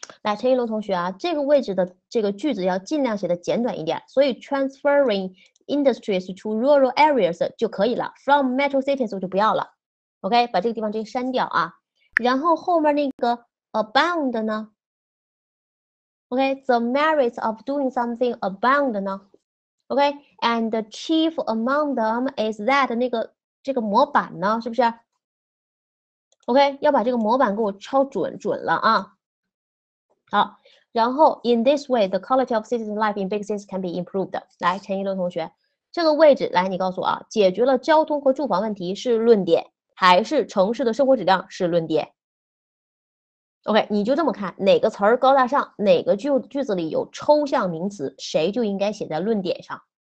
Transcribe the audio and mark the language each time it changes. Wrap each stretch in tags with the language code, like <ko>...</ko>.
<zh>来，陈一龙同学啊，这个位置的这个句子要尽量写的简短一点，所以</zh> <en>transferring industries to rural areas</en> <zh>就可以了，</zh> <en>from metro cities</en> <zh>我就不要了。 OK，把这个地方直接删掉啊，然后后面那个 abound 呢？</zh> <en>Okay, the merits of doing something abound 呢 ？Okay, and the chief among them is that</en> <zh>那个这个模板呢，是不是</zh> <en>？Okay,</en> <zh>要把这个模板给我抄准准了啊。</zh> <en>好，然后 in this way, the quality of citizen life in big cities can be improved.</en> <zh>来，陈一伦同学，这个位置来，你告诉我啊，解决了交通和住房问题是论点，还是城市的生活质量是论点？ OK, 你就这么看哪个词儿高大上，哪个 句子里有抽象名词，谁就应该写在论点上。</zh>